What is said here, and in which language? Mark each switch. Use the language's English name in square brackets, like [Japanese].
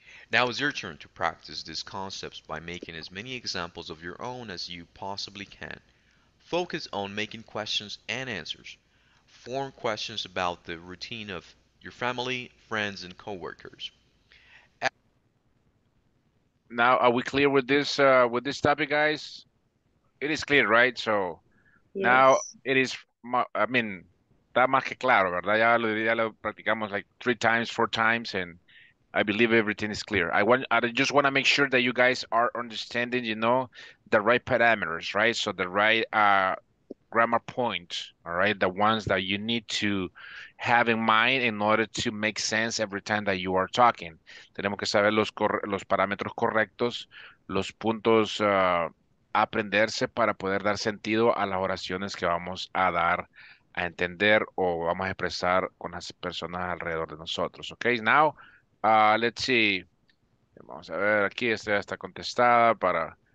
[English] Now it's your turn to practice these concepts by making as many examples of your own as you possibly can. Focus on making questions and answers. Form questions about the routine of your family, friends, and coworkers. Now, are we clear with this topic, guys? It is clear, right? So yes. Now it is, I mean, [Spanish] está más que claro, ¿verdad? Ya lo practicamos [English] like 3 times, 4 times, and I believe everything is clear. I just want to make sure that you guys are understanding, you know, the right parameters, right? So the right grammar points, all right? The ones that you need to have in mind in order to make sense every time that you are talking. [Spanish] Tenemos que saber los parámetros correctos, los puntos aprenderse para poder dar sentido a las oraciones que vamos a dar a entender o vamos a expresar con las personas alrededor de nosotros. [English] Okay, now, let's see. [Spanish] Vamos a ver, aquí esta ya está contestada para...